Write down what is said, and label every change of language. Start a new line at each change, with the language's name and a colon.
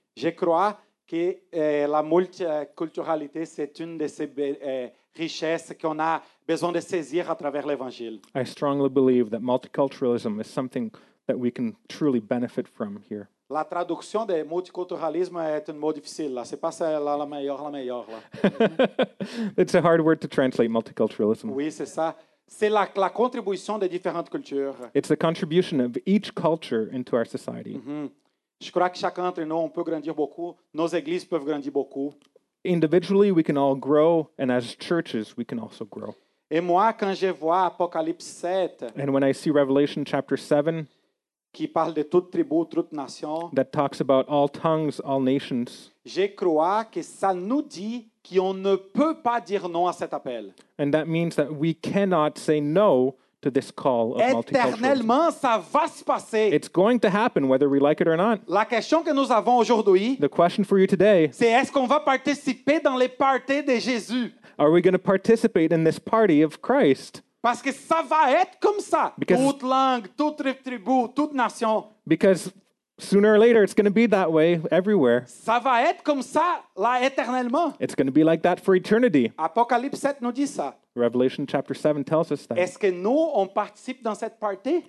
French: Je crois que la multiculturalité c'est une de ces richesses qu'on a besoin de saisir à travers l'évangile.
English: I strongly believe that multiculturalism is something that we can truly benefit from here.
French: La traduction de multiculturalisme est un mot difficile. Là. C'est pas ça, la meilleure. Là.
English: It's a hard word to translate multiculturalism.
French: Oui, c'est ça. C'est la contribution des différentes cultures.
English: It's the contribution of each culture into our society. Mm-hmm.
French: Je crois que chacun d'entre nous peut grandir beaucoup. Nos églises peuvent grandir beaucoup.
English: Individually, we can all grow, and as churches, we can also grow.
French: Et moi, quand je vois Apocalypse 7,
English: and when I see Revelation chapter 7,
French: qui parle de toute tribu, toute nation,
English: that talks about all tongues, all nations,
French: je crois que ça nous dit qu'on ne peut pas dire non à cet appel.
English: And that means that we cannot say no to this call of
French: éternellement,
English: multiculturalism.
French: Ça va se passer.
English: It's going to happen whether we like it or not.
French: La question que nous avons aujourd'hui,
English: the question for you today,
French: c'est est-ce qu'on va participer dans les parties de Jésus?
English: Are we going to participate in this party of Christ?
French: Parce que ça va être comme ça.
English: Because
French: toute langue, toute tribu, toute nation.
English: Because sooner or later it's going to be that way everywhere.
French: Ça va être comme ça là éternellement.
English: It's going to be like that for eternity.
French: Apocalypse 7 nous dit ça.
English: Revelation chapter 7 tells us that.
French: Est-ce que nous, on participe dans cette partie?